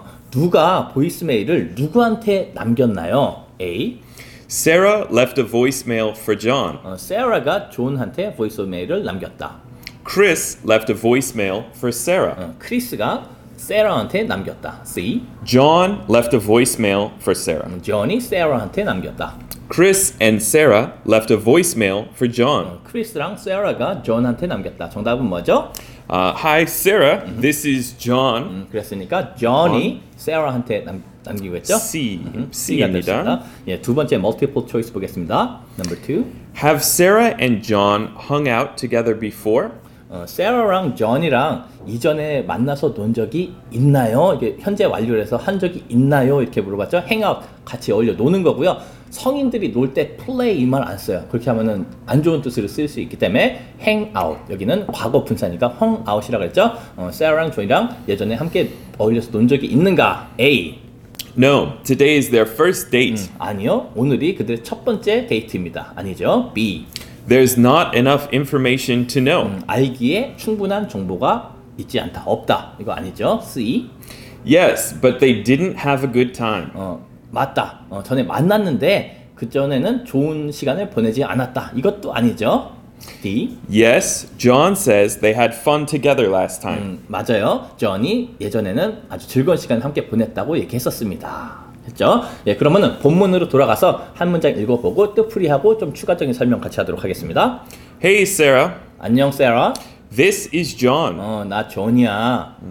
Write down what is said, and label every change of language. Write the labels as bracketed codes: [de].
[ko] 누가 보이스메일을 누구한테 남겼나요? [en] A. Sarah left a voicemail for John. [ko] Sarah가 존한테 voicemail을 남겼다. [en] Chris left a voicemail for Sarah. [ko] 크리스가 세라한테 남겼다. [en] C. John left a voicemail for Sarah. [ko] John이 세라한테 남겼다. [en] Chris and Sarah left a voicemail for John. [ko] Chris랑 세라가 John한테 남겼다. 정답은 뭐죠? [en] Hi Sarah, mm-hmm. this is John. [ko] 그랬으니까 John이 세라한테 남기고 했죠? C. C입니다. 예, 두 번째 multiple choice 보겠습니다. Number 2. [en] Have Sarah and John hung out together before? [ko] 세라랑 존이랑 이전에 만나서 논 적이 있나요? 이게 현재 완료를 해서 한 적이 있나요? 이렇게 물어봤죠. 행아웃 같이 어울려 노는 거고요. 성인들이 놀 때 플레이 이 말 안 써요. 그렇게 하면은 안 좋은 뜻으로 쓸 수 있기 때문에 행아웃 여기는 과거 분사니까 헝아웃이라고 했죠. 세라랑 존이랑 예전에 함께 어울려서 논 적이 있는가? [en] A. No. Today is their first date. [ko] 아니요. 오늘이 그들의 첫 번째 데이트입니다. 아니죠. B. [en] There's not enough information to know. [ko] 알기에 충분한 정보가 있지 않다. 없다. 이거 아니죠? C. [en] Yes, but they didn't have a good time. [ko] 맞다. 전에 만났는데 그 전에는 좋은 시간을 보내지 않았다. 이것도 아니죠? D. [en] Yes, John says they had fun together last time. [ko] 맞아요. John이 예전에는 아주 즐거운 시간을 함께 보냈다고 얘기했었습니다. 그렇죠? 예, 그러면은 본문으로 돌아가서 한 문장 읽어보고 뜻풀이하고 좀 추가적인 설명 같이 하도록 하겠습니다. [en] Hey, Sarah. [ko] 안녕, Sarah. [en] This is John. [ko] 나 존이야.